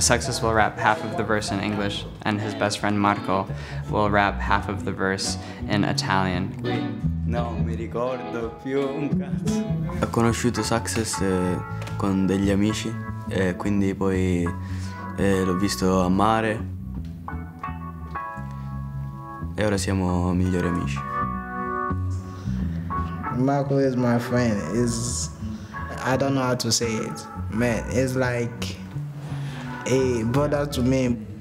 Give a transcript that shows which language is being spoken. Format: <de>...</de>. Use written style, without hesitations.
<en>Sexus will rap half of the verse in English, and his best friend Marco will rap half of the verse in Italian.</en> <it>Ho conosciuto Sexus con degli amici, quindi poi l'ho visto a mare, e ora siamo migliori amici.</it> <en>Marco is my friend. Is I don't know how to say it, man. It's like a brother to me.</en>